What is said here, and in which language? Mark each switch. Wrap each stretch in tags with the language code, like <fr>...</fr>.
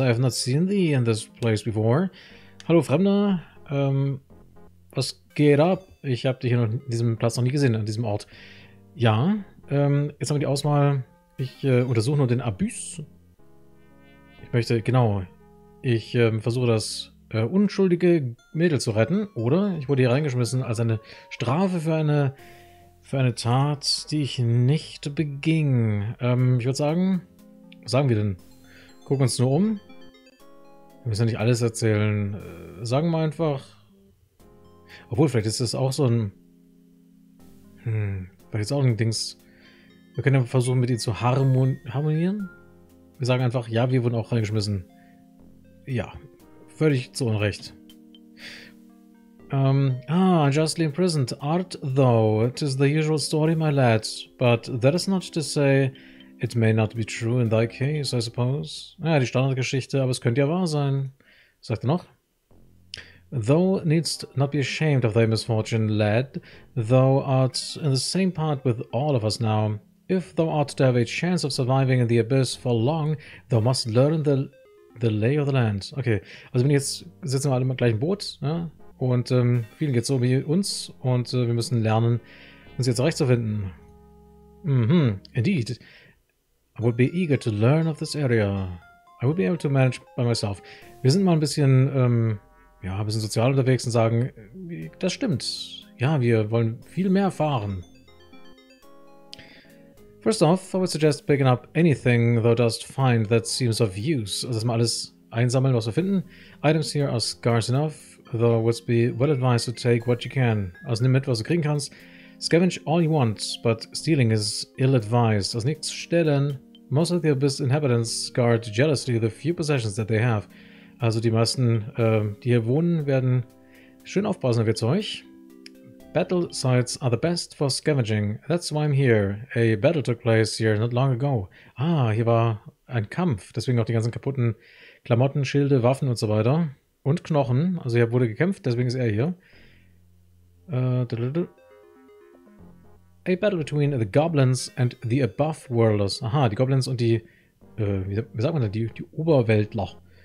<en>I have not seen thee in this place before.</en> <de>Hallo, Fremder. Was geht ab? Ich habe dich hier noch in diesem Platz noch nie gesehen, an diesem Ort. Ja, jetzt haben wir die Auswahl. Ich untersuche nur den Abyss. Ich versuche das unschuldige Mädel zu retten. Oder ich wurde hier reingeschmissen als eine Strafe für eine Tat, die ich nicht beging. Ich würde sagen, was sagen wir denn? Gucken uns nur um. Wir müssen ja nicht alles erzählen. Sagen wir einfach. Obwohl, vielleicht ist das auch so ein. Vielleicht ist auch ein Dings. Wir können ja versuchen, mit ihr zu harmonieren. Wir sagen einfach, ja, wir wurden auch reingeschmissen. Ja, völlig zu Unrecht.</de> <en>Unjustly imprisoned, art thou. It is the usual story, my lad. But that is not to say, it may not be true in thy case, I suppose.</en> <de>Naja, die Standardgeschichte, aber es könnte ja wahr sein. Was sagt er noch?</de> <en>Thou needst not be ashamed of thy misfortune, lad. Thou art in the same part with all of us now. If thou art to have a chance of surviving in the abyss for long, thou must learn the lay of the land.</en> <de>Okay, also wenn jetzt sitzen wir alle im gleichen Boot, ja? Und vielen geht's so wie uns und wir müssen lernen, uns jetzt zurechtzufinden.</de> <en>Mhm, indeed. I would be eager to learn of this area. I would be able to manage by myself.</en> <de>Wir sind mal ein bisschen, ja, wir sind sozial unterwegs und sagen, das stimmt. Ja, wir wollen viel mehr erfahren.</de> <en>First off, I would suggest picking up anything thou dost find that seems of use.</en> <de>Also, dass wir alles einsammeln, was wir finden.</de> <en>Items here are scarce enough. Thou wouldst be well advised to take what you can.</en> <de>Also, nimm mit, was du kriegen kannst.</de> <en>Scavenge all you want, but stealing is ill advised.</en> <de>Also, nichts stellen.</de> <en>Most of the abyss inhabitants guard jealously the few possessions that they have.</en> <de>Also die meisten, die hier wohnen, werden schön aufpassen auf ihr Zeug.</de> <en>Battle sites are the best for scavenging. That's why I'm here. A battle took place here not long ago.</en> <de>Ah, hier war ein Kampf. Deswegen auch die ganzen kaputten Klamotten, Schilde, Waffen und so weiter. Und Knochen. Also hier wurde gekämpft, deswegen ist er hier.</de> <en>A battle between the goblins and the above worlders.</en> <de>Aha, die Goblins und die, wie sagt man denn, die Oberweltler.</de>